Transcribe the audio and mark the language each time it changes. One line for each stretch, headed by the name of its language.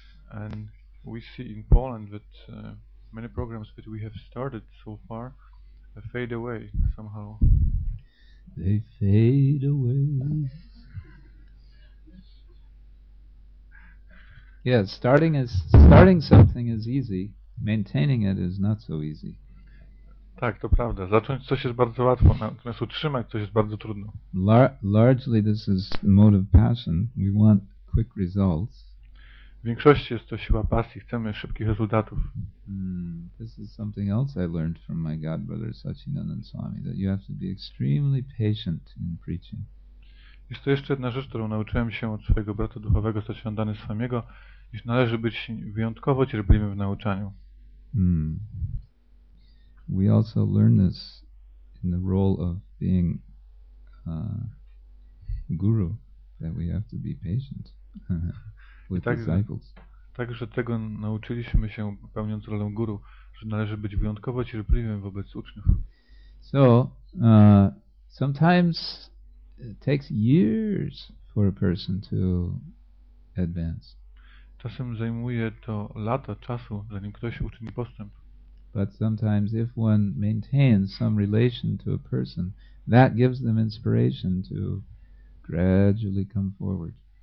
English: And we see in Poland that many programs that we have started so far fade away somehow. They fade away. Yeah, starting something is easy. Maintaining it is not so easy.
Polish: Tak, to prawda. Zacząć coś jest bardzo łatwo, natomiast utrzymać coś jest bardzo trudno.
English: Largely this is mode of passion. We want quick results.
Polish: W większości jest to siła pasji. Chcemy szybkich rezultatów.
English: This is something else I learned from my godbrother Sachinandan Swami, that you have to be extremely patient in preaching.
Polish: Jest to jeszcze jedna rzecz, którą nauczyłem się od swojego brata duchowego Sachinandany Swamiego, iż należy być wyjątkowo cierpliwym w nauczaniu.
English: We also learn this in the role of being guru, that we have to be patient with disciples.
Polish: Także tego nauczyliśmy się, pełniąc rolę guru, że należy być wyjątkowo cierpliwym wobec uczniów.
English: So, sometimes it takes years for a person to advance.
Polish: Czasem zajmuje to lata czasu, zanim ktoś uczyni postęp.
English: But sometimes if one maintains some relation to a person, that gives them inspiration to gradually come forward.